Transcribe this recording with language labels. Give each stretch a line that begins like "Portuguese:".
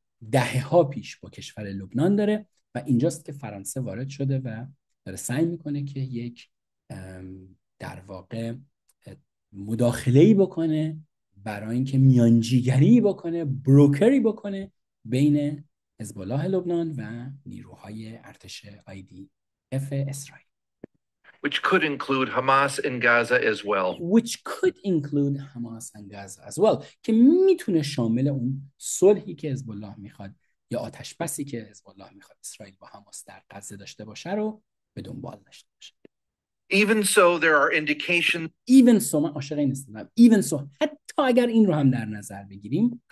Persian: دهه ها پیش با کشور لبنان داره و اینجاست که فرانسه وارد شده و داره سعی میکنه که یک در واقع مداخله‌ای بکنه برای اینکه میانجیگری بکنه، بروکری بکنه بین حزب الله لبنان و نیروهای ارتش IDF اسرائیل.
English: Which could include Hamas in Gaza as well. Which could include Hamas and Gaza as well.
Persian: که میتونه شامل اون صلحی که حزب الله میخواد یا آتش بسی که حزب الله میخواد اسرائیل با حماس در غزه داشته باشه رو به دنبال داشته باشه.
English: Even so there are indications. Even so
Persian: من عاشق این استدلالم. Even so حتی حتی اگر این رو هم در نظر بگیریم.